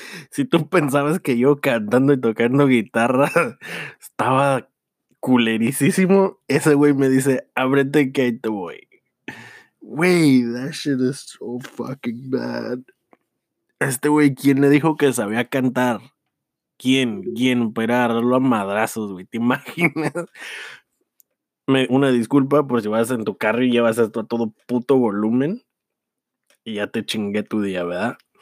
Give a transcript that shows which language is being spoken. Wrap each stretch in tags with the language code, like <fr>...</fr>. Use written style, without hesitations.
<es>Si tú pensabas que yo cantando y tocando guitarra estaba culerísimo, ese güey me dice: ábrete que ahí te voy.</es> <en>Güey, that shit is so fucking bad.</en> <es>Este güey, ¿quién le dijo que sabía cantar? ¿Quién? ¿Quién? Para darlo a madrazos, güey. ¿Te imaginas? Una disculpa por si vas en tu carro y llevas esto a todo puto volumen. Y ya te chingué tu día, ¿verdad?</es>